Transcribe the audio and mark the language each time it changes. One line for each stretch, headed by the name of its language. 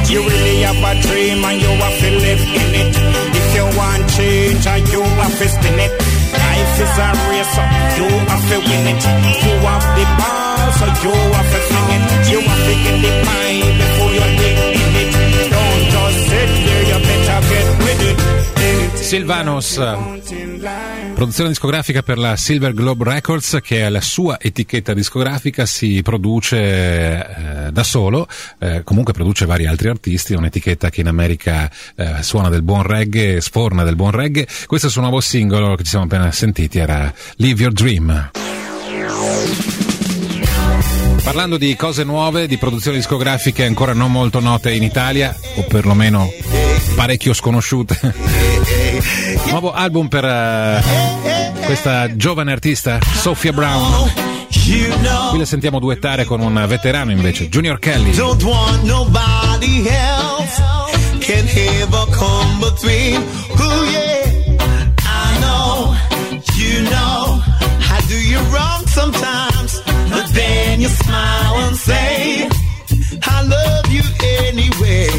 English: You really have a dream and you have to live in it. If you want change and you have to spin it. Life is a race, so you have to win it. You have the ball, so you have to swing it. You have to get the mind before you get in it. Don't just sit there, you better get with it.
Italian: Silvanus, produzione discografica per la Silver Globe Records, che è la sua etichetta discografica, si produce da solo, comunque produce vari altri artisti, un'etichetta che in America suona del buon reggae, sforna del buon reggae. Questo è il suo nuovo singolo che ci siamo appena sentiti, era Live Your Dream. Parlando di cose nuove, di produzioni discografiche ancora non molto note in Italia, o perlomeno parecchio sconosciute, nuovo album per questa giovane artista, Sophia Brown. Qui la sentiamo duettare con un veterano invece, Junior Kelly.
English: Don't want nobody else can ever come between. Oh yeah, I know, you know, I do you wrong sometimes. But then you smile and say, I love you anyway.